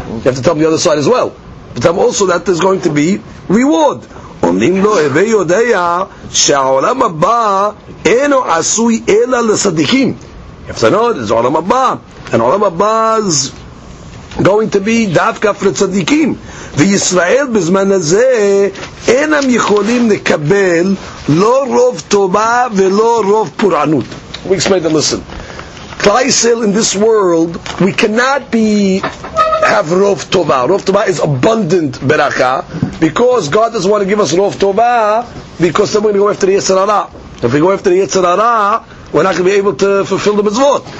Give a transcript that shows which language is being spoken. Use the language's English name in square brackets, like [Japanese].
[English] You have to tell them the other side as well. But tell them also that there's going to be reward. [Hebrew] Omnim lo eve yodaya she'olam haba eno asui ela lesadikim. [English] You have to know it's olam haba, and olam haba is going to be dafka for tzadikim. [Hebrew] וישראל בזמן הזה אינם יכולים לקבל לא רוב טובה ולא רוב פורענות. [English] We explain them, listen. Klaisel, in this world, we cannot have rov tova. Rov tova is abundant beracha, because God doesn't want to give us rov tova, because then we're going to go after the Yetzer Hara. If we go after the Yetzer Hara, we're not going to be able to fulfill the mitzvot.